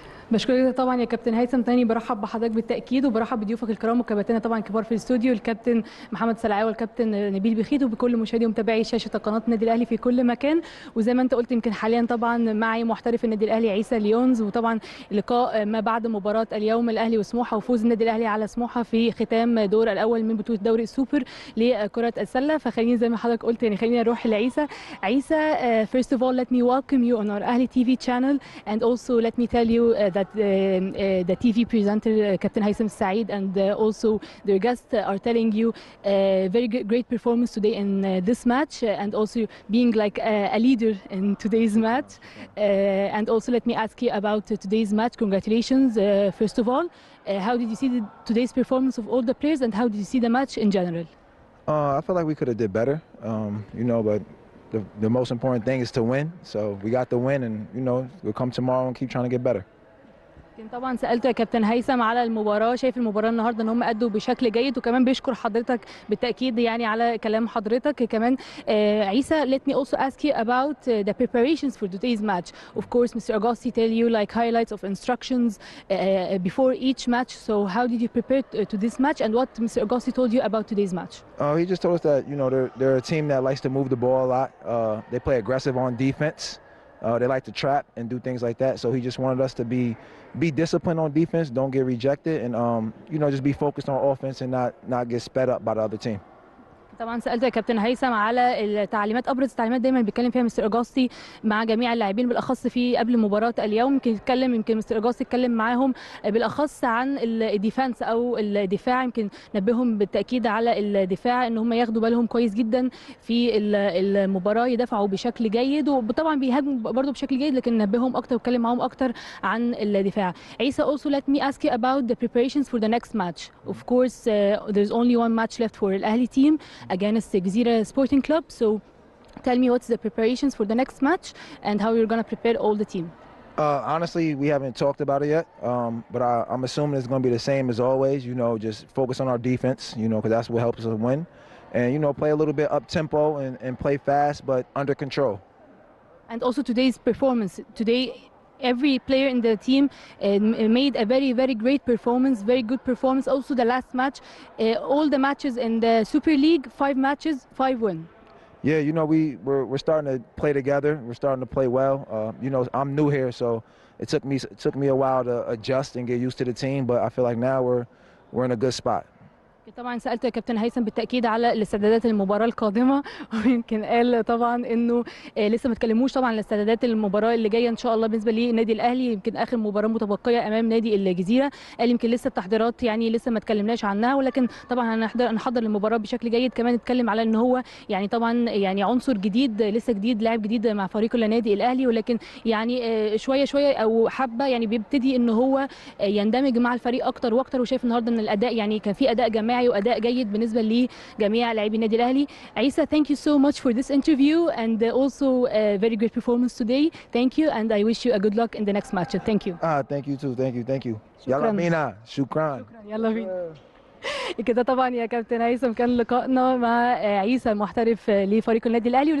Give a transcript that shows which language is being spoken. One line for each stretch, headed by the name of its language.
Arabic: بشكرك طبعا يا كابتن هيثم، تاني برحب بحضرتك بالتاكيد وبرحب بضيوفك الكرام وكباتنا طبعا كبار في الاستوديو، الكابتن محمد سلعاوي والكابتن نبيل بخيت وبكل مشاهدي ومتابعي شاشه قناه النادي الاهلي في كل مكان. وزي ما انت قلت يمكن حاليا طبعا معي محترف النادي الاهلي عيسى ليونز، وطبعا لقاء ما بعد مباراه اليوم الاهلي وسموحه وفوز النادي الاهلي على سموحه في ختام دور الاول من بطوله دوري السوبر لكره السله. فخليني زي ما حضرتك قلت يعني خليني اروح لعيسى.
English: عيسى، first of all let me welcome you on our اهلي T V channel and also let me tell you that the TV presenter Captain Haysom Saeed and also their guests are telling you a very great performance today in this match and also being like a leader in today's match. And also let me ask you about today's match. Congratulations, first of all. How did you see today's performance of all the players and how did you see the match in general? I feel like we could have did better, you know, but the most important thing is to win. So we got the win and, you know, we'll come tomorrow and keep trying to get better.
Arabic: لكن طبعا سالته يا كابتن هيثم على المباراه، شايف المباراه النهارده ان هم ادوا بشكل جيد وكمان بيشكر حضرتك بالتاكيد يعني على كلام حضرتك.
English: كمان عيسى، let me also ask you about the preparations for today's match. Of course Mr. Agassi tell you like highlights of instructions before each match. So how did you prepare to this match and what Mr. Agassi told you about today's match? He just told us that, you know, they're a team that likes to move the ball a lot. They play aggressive on defense. They like to trap and do things like that. So he just wanted us to be disciplined on defense, don't get rejected, and you know, just be focused on offense and not get sped up by the other team.
Arabic: طبعا سالته يا كابتن هيثم على التعليمات، ابرز التعليمات دايما بيتكلم فيها مستر اجاستي مع جميع اللاعبين بالاخص في قبل مباراه اليوم. يمكن مستر اجاستي يتكلم معاهم بالاخص عن الديفنس او الدفاع، يمكن نبههم بالتاكيد على الدفاع ان هم ياخدوا بالهم كويس جدا في المباراه، يدافعوا بشكل جيد وطبعا بيهاجموا برضو بشكل جيد، لكن نبههم اكتر واتكلم معاهم اكتر عن الدفاع.
English: عيسى، also let me ask you about the preparations for the next match. Of course there's only one match left for الاهلي team against the Gezira Sporting Club. So tell me, what's the preparations for the next match and how you're going to prepare all the team? Honestly, we haven't talked about it yet, but I'm assuming it's going to be the same as always, you know, just focus on our defense, you know, because that's what helps us win. And, you know, play a little bit up tempo and play fast, but under control. And also today's performance, today every player in the team made a very, very great performance, very good performance. Also the last match, all the matches in the Super League, 5 matches, 5 win. Yeah, you know, we're starting to play together. We're starting to play well. You know, I'm new here, so it took me a while to adjust and get used to the team. But I feel like now we're in a good spot.
Arabic: طبعا سالته يا كابتن هيثم بالتاكيد على الاستعدادات للمباراه القادمه، ويمكن قال طبعا انه لسه ما اتكلموش طبعا الاستعدادات للمباراه اللي جايه ان شاء الله بالنسبه للنادي الاهلي، يمكن اخر مباراه متبقيه امام نادي الجزيره. قال يمكن لسه التحضيرات يعني لسه ما اتكلمناش عنها، ولكن طبعا هنحضر للمباراه بشكل جيد. كمان اتكلم على ان هو يعني طبعا يعني عنصر جديد لسه جديد، لاعب جديد مع فريق النادي الاهلي، ولكن يعني شويه شويه او حبه يعني بيبتدي ان هو يندمج مع الفريق اكتر واكتر، وشايف النهارده ان الاداء يعني كان في اداء جمالي وأداء جيد بالنسبة لجميع لاعبي النادي الأهلي.
English: عيسى، thank you so much for this interview and also a very great performance today. Thank you and I wish you a good luck in the next match. Thank you. Thank you too. Thank you. Thank you.
Arabic: يلا بينا. شكراً. يلا بينا. كده طبعاً يا كابتن هيثم كان لقائنا مع عيسى المحترف لفريق النادي الأهلي.